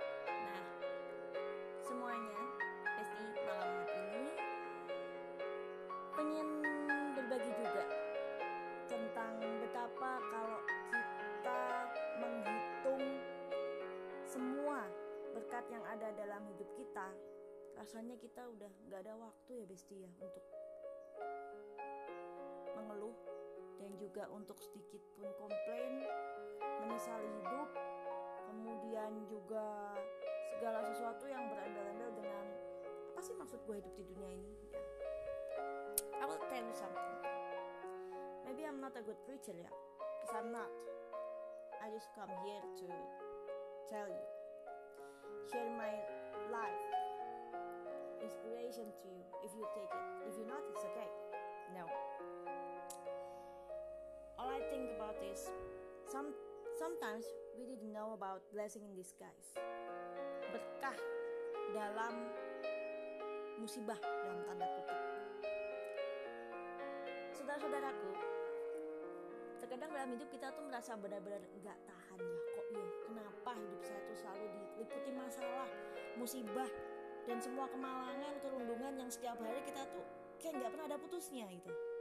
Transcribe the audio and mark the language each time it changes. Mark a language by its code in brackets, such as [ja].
[id] Nah, semuanya pasti malam ini pengen berbagi juga tentang betapa kalau kita menghitung semua berkat yang ada dalam hidup kita, rasanya kita udah gak ada waktu ya bestie ya untuk mengeluh dan juga untuk sedikit pun komplain, menyesali hidup, kemudian juga segala sesuatu yang berandal-andal dengan apa sih maksud gue hidup di dunia ini? [en] Yeah. I will tell you something. Maybe I'm not a good preacher, yeah, because I'm not. I just come here to tell you, share my life, inspiration to you. If you take it, if you not, it's okay. No. All I think about is sometimes we didn't know about blessing in disguise. [id] Berkah dalam musibah, dalam tanda kutip. Saudara-saudaraku, terkadang dalam hidup kita tuh merasa benar-benar gak tahan ya. Kok ya, kenapa hidup saya tuh selalu diliputi masalah, musibah, dan semua kemalangan, kerundungan yang setiap hari kita tuh kayak gak pernah ada putusnya gitu.